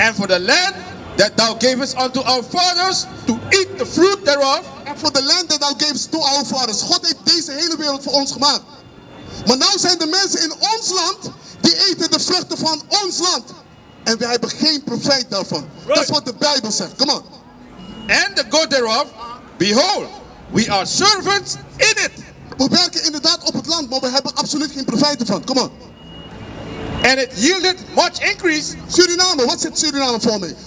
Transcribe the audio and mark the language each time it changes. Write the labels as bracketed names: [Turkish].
[English] And for the land that thou gavest unto our fathers to eat the fruit thereof. And for the land that thou gavest to our fathers. [Dutch] God heeft deze hele wereld voor ons gemaakt. Maar nou zijn de mensen in ons land die eten de vruchten van ons land. En wij hebben geen profijt daarvan. Dat is wat de Bijbel zegt. [English] Come on. And the God thereof, behold, we are servants in it. [Dutch] We werken inderdaad op het land, maar we hebben absoluut geen profijt ervan. [English] Come on. And it yielded much increase. [Dutch] Suriname, wat zit Suriname voor mee?